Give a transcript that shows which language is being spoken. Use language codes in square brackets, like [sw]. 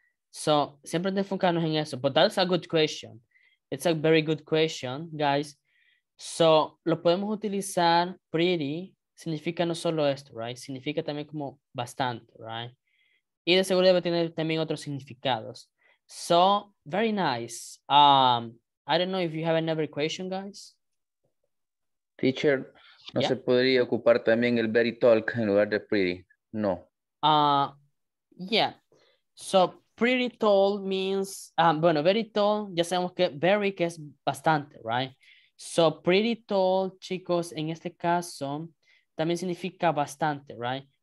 [en] So, [es] siempre enfocarnos en eso. [en] But that's a good question. It's a very good question, guys. [es] So, lo podemos utilizar pretty. Significa no solo esto, right? Significa también como bastante, right? Y de seguro debe tener también otros significados. [en] So, very nice. I don't know if you have another question, guys. [es] Teacher, ¿no se podría ocupar también el very tall en lugar de pretty? No. [en] Yeah. So, pretty tall means, [es] bueno, very tall, ya sabemos que very, que es bastante, right? So, pretty tall, chicos, en este caso, también significa bastante, right?